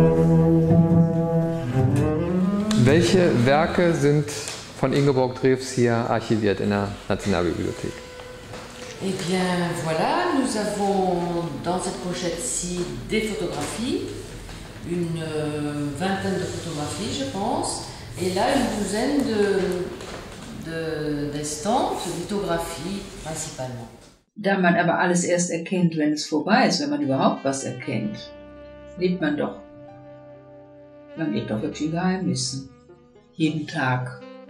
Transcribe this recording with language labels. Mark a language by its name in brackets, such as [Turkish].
[German] Welche Werke sind von Ingeborg Drews hier archiviert in der Nationalbibliothek? [French] Eh bien, voilà, nous avons dans cette pochette-ci des photographies, une vingtaine de photographies, je pense, et là une douzaine d'estampes, lithographies principalement. [German] Da man aber alles erst erkennt, wenn es vorbei ist, wenn man überhaupt was erkennt, lebt man doch. Man lebt doch wirklich in Geheimnissen. Jeden Tag.